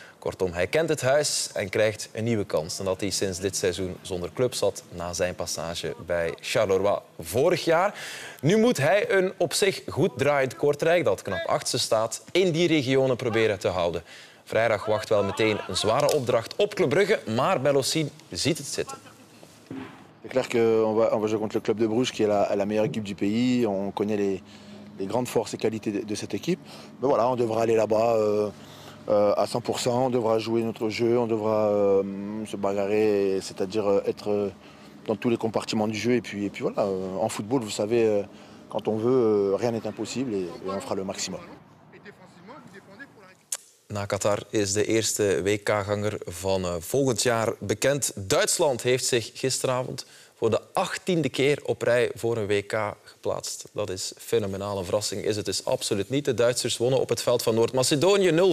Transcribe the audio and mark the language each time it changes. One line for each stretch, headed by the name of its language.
Dutch: Kortom, hij kent het huis en krijgt een nieuwe kans nadat hij sinds dit seizoen zonder club zat na zijn passage bij Charleroi vorig jaar. Nu moet hij een op zich goed draaiend Kortrijk, dat knap achtste staat, in die regionen proberen te houden. Vrijdag wacht wel meteen een zware opdracht op Club Brugge, maar Bellocine ziet het zitten.
French: C'est clair qu'on va jouer contre le club de Bruges qui est la meilleure équipe du pays. On connaît les grandes forces et qualités de cette équipe. Mais voilà, on devra aller là-bas à 100%. On devra jouer notre jeu, on devra se bagarrer, c'est-à-dire être dans tous les compartiments du jeu. Et puis voilà, en football, vous savez, quand on veut, rien n'est impossible et on fera le maximum.
Dutch: Na Qatar is de eerste WK-ganger van volgend jaar bekend. Duitsland heeft zich gisteravond voor de 18e keer op rij voor een WK geplaatst. Dat is fenomenaal. Een verrassing is het dus absoluut niet. De Duitsers wonnen op het veld van Noord-Macedonië.